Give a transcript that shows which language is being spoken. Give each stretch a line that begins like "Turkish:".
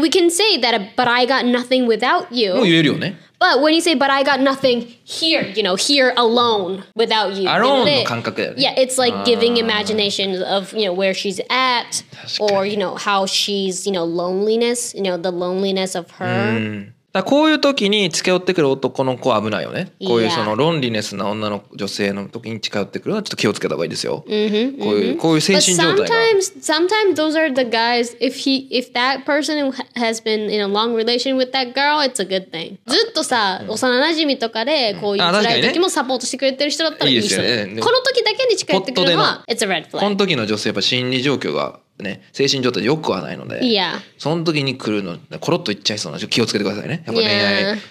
English: We can say that, but I got nothing without you.
Japanese: もう言えるよね。
English: But when you say, but I got nothing here, you know, here alone without you.
Japanese: Alone の感覚だよね。
English: Yeah, it's like giving imaginations of, you know, where she's at, or, you know, how she's, you know, loneliness, you know, the loneliness of her.
Japanese: だこういう時に近寄ってくる男の子は危ないよね。こういうそのロンリネスな女の女性の時に近寄ってくるのはちょっと気をつけた方がいいですよ。こういう精神状態が。
English: But sometimes those are the guys, if that person has been in a long relation with that girl, it's a good thing.
Japanese: ずっとさ、幼馴染とかでこういう辛い時もサポートしてくれてる人だったらいいですよね。この時だけに近寄ってくるのは、
English: it's a red flag.
Japanese: この時の女性やっぱ心理状況がね、精神状態良くはないので、
English: yeah.
Japanese: その時に来るのコロッといっちゃいそうなので気をつけてくださいね。やっぱ恋愛、
English: yeah.